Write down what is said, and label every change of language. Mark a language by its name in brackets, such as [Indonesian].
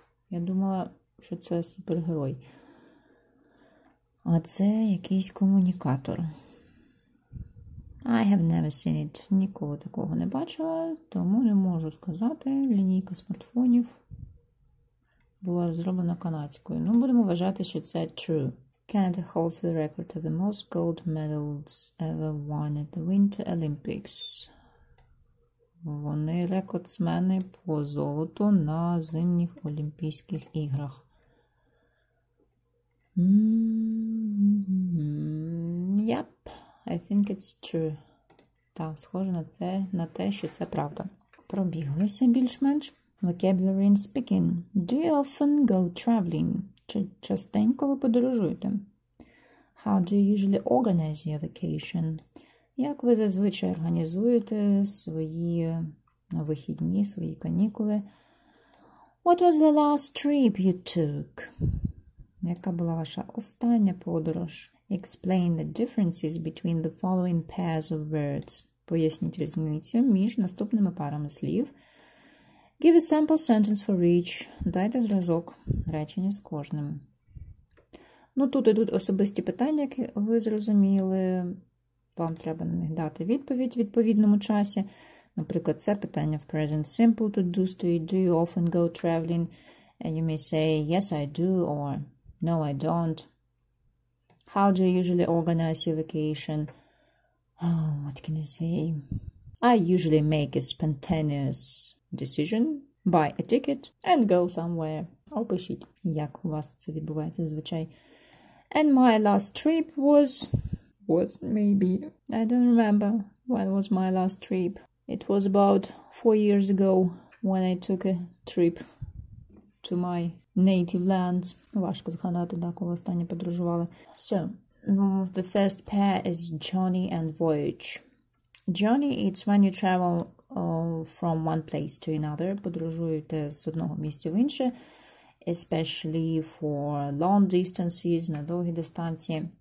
[Ukrainian] Я думала, що це супергерой. А це якийсь комунікатор. [English] I have never seen it. [Ukrainian] Ніколи такого не бачила, тому не можу сказати. Лінійка смартфонів була зроблена канадською. Ну, будемо вважати, що це true. [English] Canada holds the record of the most gold medals ever won at the Winter Olympics. [Ukrainian] Вони рекордсмени по золоту на зимніх Олімпійських іграх. [English] Yep, I think it's true. [Ukrainian] Так, схоже на це, на те, що це правда. Пробіглися більш-менш. [English] Vocabulary and speaking. Do you often go traveling? [Ukrainian] Чи частенько ви подорожуєте? [English] How do you usually organize your vacation? [Ukrainian] Як ви зазвичай організуєте свої вихідні, свої канікули? [English] What was the last trip you took? [Ukrainian] Яка була ваша остання подорож? [English] Explain the differences between the following pairs of words. [Ukrainian] Поясніть різницю між наступними парами слів. [English] Give a sample sentence for each. [Ukrainian] Дайте зразок речення з кожним. Ну, тут ідуть особисті питання, які ви зрозуміли. Вам треба на них дати відповідь в відповідному часі. Наприклад, це питання в [English] present simple to do stoit. Do you often go traveling? And you may say, yes, I do, or no, I don't. How do you usually organize your vacation? Oh, what can I say? I usually make a spontaneous decision, buy a ticket, and go somewhere. [Ukrainian] Опишіть, як у вас це відбувається зазвичай. [English] And my last trip was maybe, I don't remember when was my last trip. It was about 4 years ago when I took a trip to my native lands. [Ukrainian] Важко згадати, да, коли останнє подорожували. [English] So, the first pair is journey and voyage. Journey, it's when you travel from one place to another, [Ukrainian] подорожуєте з одного місця в інше, [English] especially for long distances, [Ukrainian] на довгі дистанції.